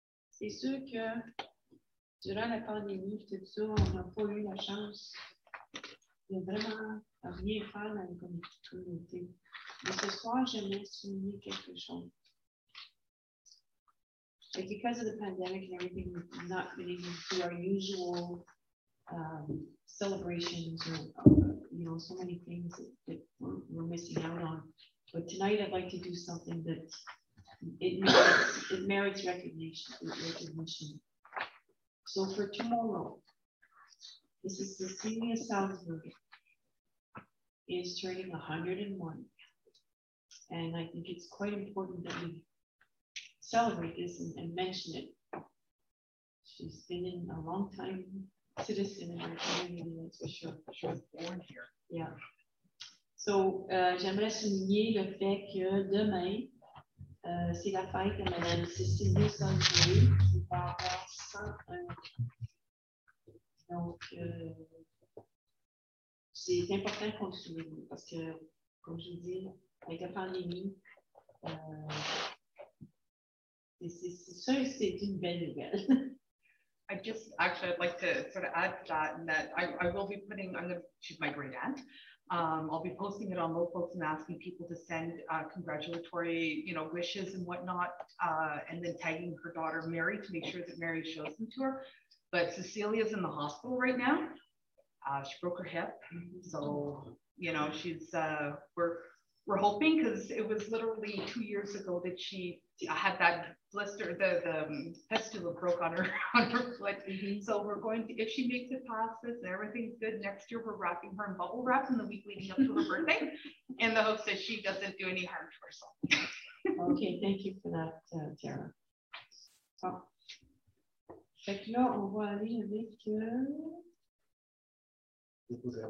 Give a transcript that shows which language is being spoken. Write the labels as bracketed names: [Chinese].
[French] C'est sûr que durant la pandémie, tout ça, on n'a pas eu la chance de vraiment rien faire dans la communauté. Mais ce soir, j'aimerais souligner quelque chose. [English] But because of the pandemic and everything, we've not been able to do our usual celebrations or so many things that we're missing out on. But tonight, I'd like to do something that it merits recognition. So for tomorrow, this is Cecilia Salzberg is turning 101. And I think it's quite important that we celebrate this and mention it. She's been in a long time citizen in our community, that's for sure. She was born here. Yeah. [French] So j'aimerais souligner le fait que demain, c'est la fête de Mme Cécilia Sanjoué qui va avoir 101 ans. Donc, c'est important qu'on le souligne parce que, comme je vous dis, avec la pandémie, c'est une belle nouvelle. [English] I just actually I'd like to sort of add to that and that I will be putting, she's my great aunt. I'll be posting it on Locals and asking people to send congratulatory, wishes and whatnot, and then tagging her daughter Mary to make sure that Mary shows them to her. But Cecilia's in the hospital right now. She broke her hip. So, she's we're hoping because it was literally 2 years ago that she had that blister, the fistula broke on her foot. Mm-hmm. So we're going to, if she makes it past this and everything's good next year, we're wrapping her in bubble wrap in the week leading up to her birthday in the hopes that she doesn't do any harm to herself. Okay, thank you for that, Tara. [French] So, fait que là, on va aller avec